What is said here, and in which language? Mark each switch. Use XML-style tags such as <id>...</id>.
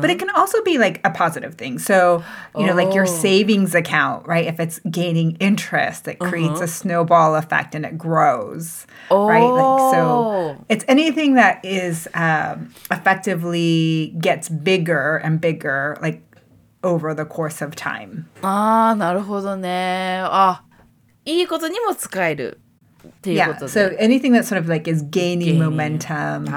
<en>But it can also be like a positive thing. So, you know, like your savings account, right? If it's gaining interest, it creates a snowball effect and it grows. Right? Like, so it's anything that is effectively gets bigger and bigger, like over the course of time.</en> <ja>Ah, なるほどね。 Ah, いいことにも使える。</ja> <en>Yeah, so anything that sort of like is gaining momentum,</en>